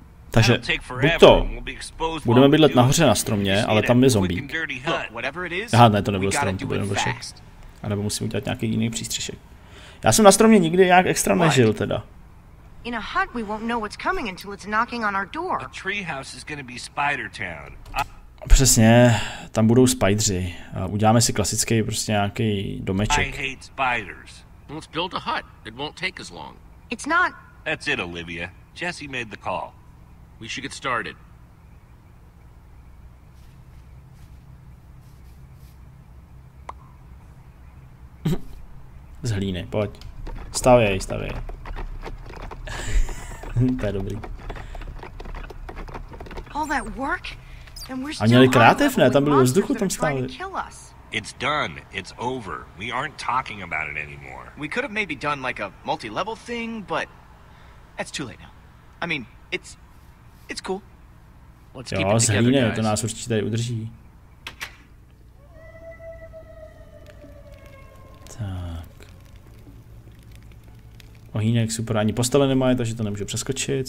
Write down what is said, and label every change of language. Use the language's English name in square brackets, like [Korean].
[Czech] Takže buď to, budeme bydlet nahoře na stromě, ale tam je zombík. Aha, ne, to nebyl strom, to byl jenom vršek. A nebo musím udělat nějaký jiný přístřešek. Já jsem na stromě nikdy nějak extra nežil teda. [English] In a hut, we won't know what's coming until it's knocking on our door. A treehouse is going to be spider town. [Czech] Přesně, tam budou spajdři. Uděláme si klasický prostě nějaký domeček. [English] I hate spiders. Let's build a hut. It won't take as long. It's not... That's it, Olivia. Jesse made the call. We should get started. [Czech] Z hlíny, pojď. Stavěj, stavěj. To je dobrý. [English] All that work? [Czech] A měli krátev, ne? Tam byli ve vzduchu, tam stáli. [English] It's done. It's over. We aren't talking about it anymore. We could have maybe done like a multi-level thing, but that's too late now. I mean, it's cool. Let's keep it together, guys. [Czech] Jo, zhlíne, to nás určitě tady udrží. Tak. Ohýnek super, ani postele nemají, takže to nemůže přeskočit.